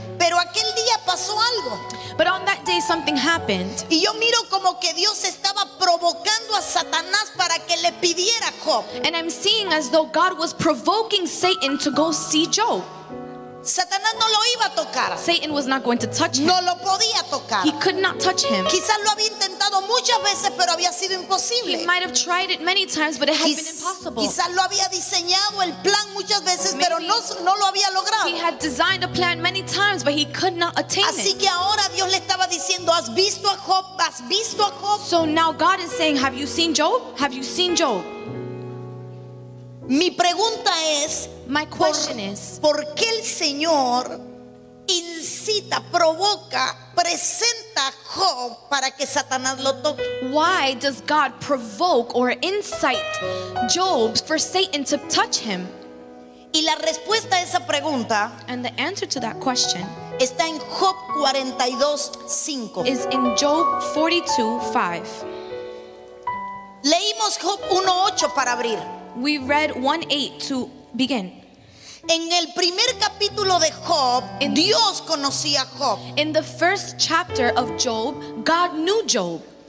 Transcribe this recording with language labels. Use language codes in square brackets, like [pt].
[es] Pero aquel día pasó algo. [en] But on that day something happened. [es] Y yo miro como que Dios estaba provocando a Satanás para que le pidiera a Job. [en] And I'm seeing as though God was provoking Satan to go see Job. [es] Satanás no lo iba a tocar. [en] Satan was not going to touch him. [es] No lo podía tocar. [en] He could not touch him. [es] Quizás lo había intentado muchas veces, pero había sido imposible. [en] He might have tried it many times, but it had been impossible. [es] Quizás lo había diseñado el plan muchas veces, pero no lo había logrado. [en] He had designed a plan many times, but he could not attain [es] it. Así que ahora Dios le estaba diciendo, ¿has visto a Job? ¿Has visto a Job? [en] So now God is saying, have you seen Job? Have you seen Job? [es] Mi pregunta es, [en] my question is, [es] ¿por qué el Señor incita, provoca, presenta a Job para que Satanás lo toque? [en] Why does God provoke or incite Job for Satan to touch him? [es] Y la respuesta a esa pregunta, [en] and the answer to that question, [es] está en Job 42:5. [en] Is in Job 42:5. [es] Leímos Job 1:8 para abrir. [en] We read 1:8 to begin. [es] En el primer capítulo de Job, Dios conocía a Job. [en] In the first chapter of Job, God knew Job.